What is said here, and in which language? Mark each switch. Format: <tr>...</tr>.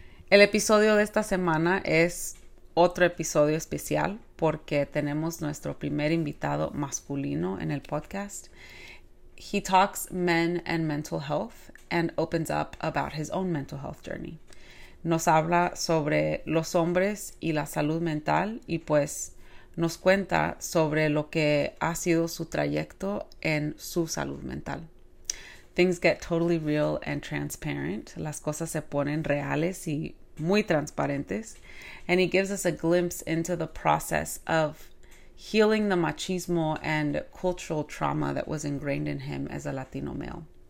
<es>El episodio de esta semana es otro episodio especial porque tenemos nuestro primer invitado masculino en el podcast.</es> <en>He talks men and mental health and opens up about his own mental health journey.</en> <es>Nos habla sobre los hombres y la salud mental y pues nos cuenta sobre lo que ha sido su trayecto en su salud mental.</es> <en>Things get totally real and transparent.</en> <es>Las cosas se ponen reales y muy transparentes,</es> <en>and he gives us a glimpse into the process of healing the machismo and cultural trauma that was ingrained in him as a Latino male.</en>